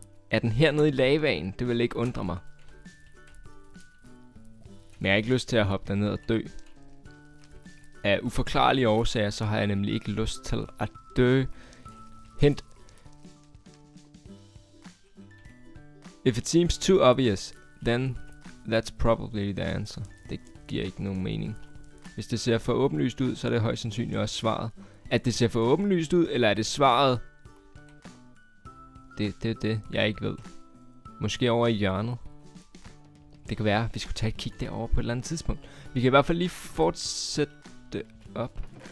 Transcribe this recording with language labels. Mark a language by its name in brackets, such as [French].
[Danish] Er den hernede i lavaen? Det vil ikke undre mig. Men jeg har ikke lyst til at hoppe derned og dø. Af uforklarlige årsager, så har jeg nemlig ikke lyst til at dø. Hint. [English] If it seems too obvious, then... That's probably the answer. [Danish] Det giver ikke nogen mening. Hvis det ser for åbenlyst ud, så er det højst sandsynligt også svaret. At det ser for åbenlyst ud, eller er det svaret? Det, jeg ikke ved. Måske over i hjørnet. Det kan være, vi skulle tage et kig derover på et eller andet tidspunkt. Vi kan i hvert fald lige fortsætte op.